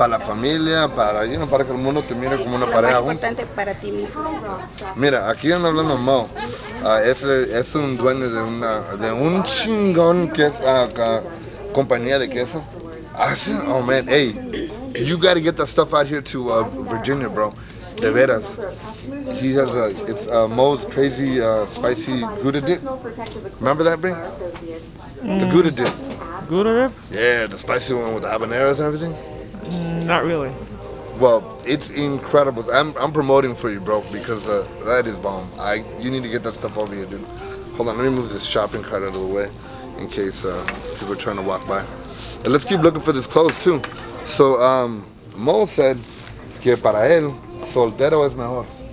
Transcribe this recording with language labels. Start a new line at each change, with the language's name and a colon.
Spanish: Para la familia, para que el mundo te mire como una pareja. Es importante para ti mismo. Mira, aquí anda hablando Mao. Es un dueño de un chingón que es compañía de queso.
English: Oh man, hey, you gotta get that stuff out here to Virginia, bro.
Spanish: De veras.
English: He has Moe's crazy spicy Gouda dip. Remember that, bro? The Gouda dip. Gouda dip? Yeah, the spicy one with the habaneros and everything. Not really. Well, it's incredible. I'm promoting for you, bro, because that is bomb. You need to get that stuff over here, dude. Hold on, let me move this shopping cart out of the way in case people are trying to walk by. And let's keep looking for this clothes too. So Mo said
Spanish: que para él soltero es mejor.